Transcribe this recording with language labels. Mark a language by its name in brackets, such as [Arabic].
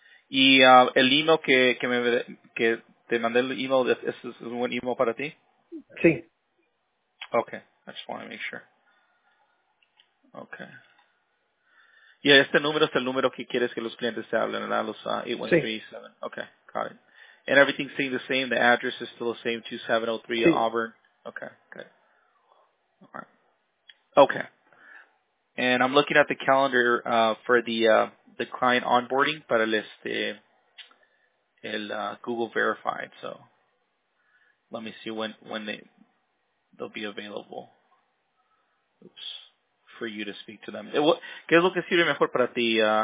[Spanish] Y el email que te mandé el email, ¿es un buen email para ti? Sí. [English] Okay, I just want to make sure. Okay. [Spanish] Yeah, este número es el número que quieres que los clientes te hablen, ¿verdad? Los 8137. Sí. [English] Okay, got it. And everything's staying the same. The address is still the same, 2703 sí. Auburn. Okay, good. All right. Okay. And I'm looking at the calendar for the client onboarding [Spanish] para el [English] Google Verified. So let me see when they'll be available. Oops. For you to speak to them. [Spanish] ¿Qué es lo que sirve mejor para ti?